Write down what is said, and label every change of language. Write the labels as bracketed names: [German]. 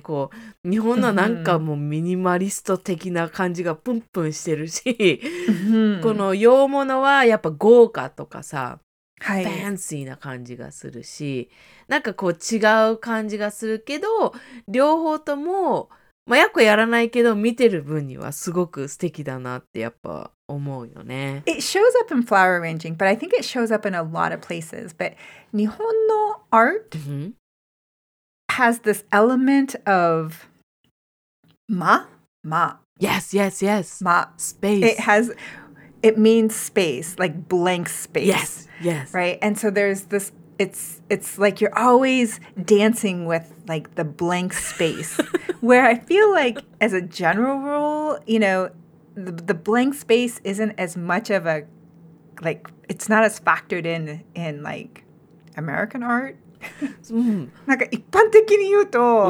[Japanese] こう、日本のなんかもうミニマリスト的な感じがプンプンしてるし、この洋物はやっぱ豪華とかさ、はい、ファンシーな感じがするし、なんかこう違う感じがするけど、両方とも、まあ、やっこやらないけど、見てる分にはすごく素敵だなってやっぱ思うよね。 [English] It shows up in flower arranging, but I think it shows up in a lot of places. But 日本の art?、 Mm-hmm. Has this element of ma? Ma. Yes, yes, yes. Ma. Space. It means space, like blank space. Yes, yes. Right? And so there's this, it's like you're always dancing with like the blank space. Where I feel like as a general rule, you know, the blank space isn't as much of a, like, it's not as factored in like American art. [Japanese] なんか一般的に言うと、